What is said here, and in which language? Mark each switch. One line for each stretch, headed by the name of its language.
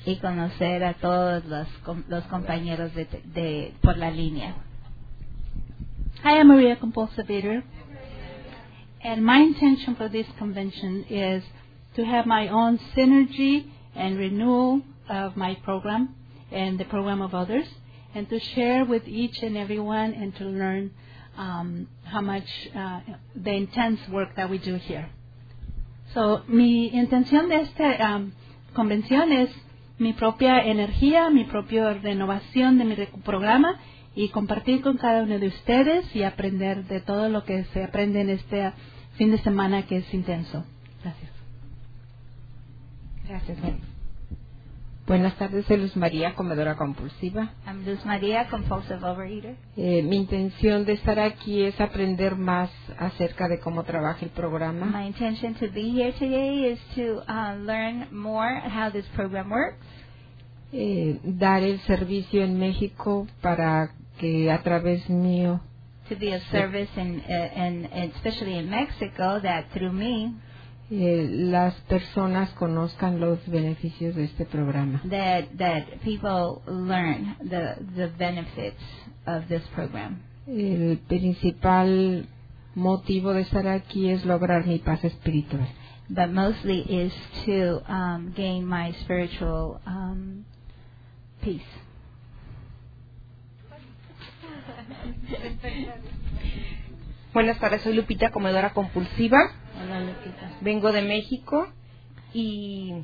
Spanish: Y conocer a todos los compañeros de por la línea.
English: Hi, I'm Maria, compulsive eater. And my intention for this convention is to have my own synergy and renewal of my program and the program of others, and to share with each and everyone and to learn how much the intense work that we do here.
Spanish: So, mi intención de esta convención es mi propia energía, mi propia renovación de mi programa, y compartir con cada uno de ustedes y aprender de todo lo que se aprende en este fin de semana que es intenso. Gracias. Gracias. Buenas tardes, soy Luz María, comedora compulsiva.
English: I'm Luz María, compulsive overeater.
Spanish: Mi intención de estar aquí es aprender más acerca de cómo trabaja el programa.
English: My intention to be here today is to learn more how this program works.
Spanish: Dar el servicio en México para que a través mío
English: to be of service in especially in Mexico that through me
Spanish: las personas conozcan los beneficios de este programa
English: that people learn the benefits of this program.
Spanish: El principal motivo de estar aquí es lograr mi paz espiritual,
English: but mostly is to gain my spiritual peace.
Spanish: Buenas tardes, soy Lupita, comedora compulsiva. Hola, Lupita. Vengo de México y